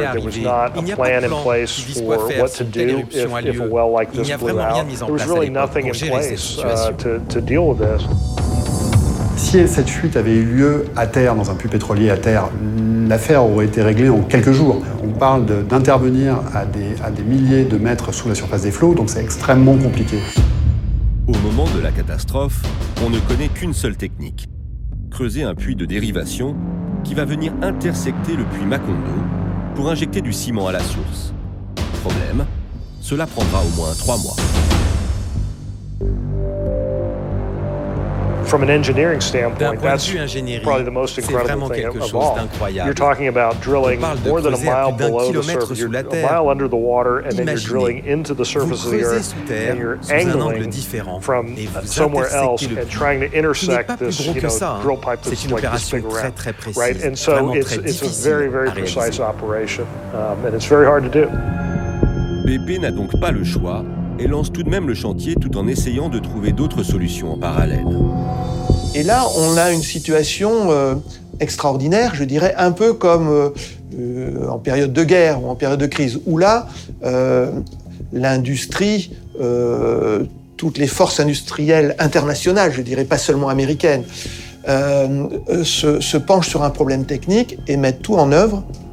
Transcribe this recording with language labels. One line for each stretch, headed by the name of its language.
English: There was not a plan in place for what to do if a well like this blew out. There was really nothing in place to deal with this.
French: Si cette fuite avait eu lieu à terre, dans un puits pétrolier à terre, l'affaire aurait été réglée en quelques jours. On parle d'intervenir à des milliers de mètres sous la surface des flots, donc c'est extrêmement compliqué. Au moment de la catastrophe, on ne connaît qu'une seule technique. Creuser un puits de dérivation qui va venir intersecter le puits Macondo pour injecter du ciment à la source. Problème, cela prendra au moins 3 mois.
English: From an engineering standpoint, that's probably the most incredible thing of all. You're talking about drilling more than a mile below the surface, you're a mile under the water, and then you're drilling into the surface of the earth, and you're angling from somewhere else and trying to intersect this, you know, drill pipe that's like this big round, right? And so it's a very, very precise operation, and it's very hard to do.
French: BP n'a donc pas le choix. Et lance tout de même le chantier tout en essayant de trouver d'autres solutions en parallèle. Et là, on a une situation extraordinaire, je dirais, un peu comme en période de guerre ou en période de crise, où là, l'industrie, toutes les forces industrielles internationales, je dirais pas seulement américaines, se penchent sur un problème technique et mettent tout en œuvre